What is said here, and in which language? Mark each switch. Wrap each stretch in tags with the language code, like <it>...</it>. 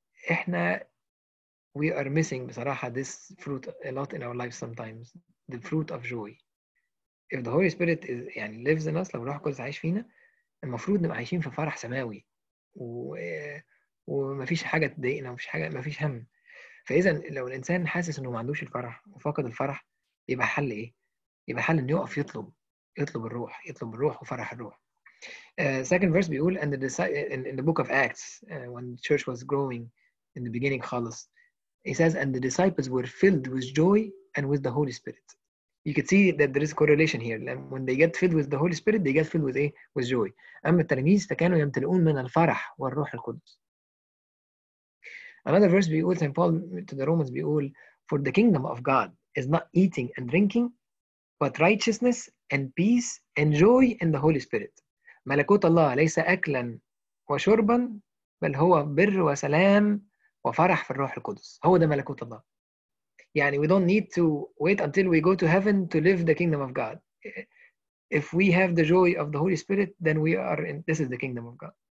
<ar>احنا</ar> <en>we are missing</en> <ar>بصراحة</ar> <en>this fruit a lot in our lives sometimes, the fruit of joy. If the Holy Spirit is</en> <ar>يعني</ar> <en>lives in us,</en> <ar>لو روح القدس عايش فينا, المفروض نبقى عايشين في فرح سماوي ومفيش حاجة تضايقنا, مفيش حاجة, مفيش هم. فإذا لو الإنسان حاسس إنه ما عندوش الفرح وفقد الفرح, يبقى حل إيه؟ يبقى حل إنه يقف يطلب الروح وفرح الروح.</ar> <en>Second verse</en> <ar>بيقول</ar> <en>and the in the book of Acts when the church was growing in the beginning</en> <ar>خالص,</ar> <en>He says, and the disciples were filled with joy and with the Holy Spirit. You can see that there is correlation here. When they get filled with the Holy Spirit, they get filled with</en> <ar>إيه؟</ar> <en>With joy.</en> <ar>أما التلاميذ فكانوا يمتلئون من الفرح والروح القدس.</ar> <en>Another verse</en> <ar>بيقول</ar> <en>St. Paul to the Romans</en> <ar>بيقول,</ar> <en>for the kingdom of God is not eating and drinking, but righteousness and peace and joy in the Holy Spirit.</en> <ar>ملكوت الله ليس أكلا وشربا بل هو بر وسلام وفرح في الروح القدس. هو ده ملكوت الله. يعني</ar> <en>we don't need to wait until we go to heaven to live the kingdom of God. If we have the joy of the Holy Spirit, then we are in, this is the kingdom of God.</en>